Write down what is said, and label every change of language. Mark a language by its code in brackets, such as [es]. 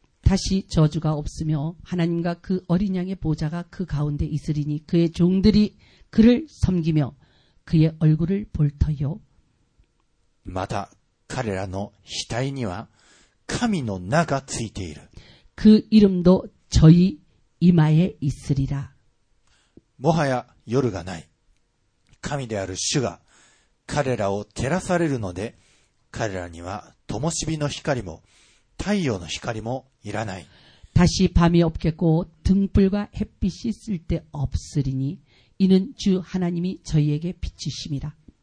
[ko] 다시저주가없으며하나님과그어린양의보좌가그가운데있으리니그의종들이그를섬기며그의얼굴을볼터요 [ja] また彼らの額には神の名がついている [ko] 그이름도저희이마에있으리라 [ja] もはや夜がない神である主が彼らを照らされるので彼らには灯火の光も太陽の光もいらない。 [ko] 다시밤이없겠고등불과햇빛이쓸데없으리니이는주하나님이저희에게비치심이라。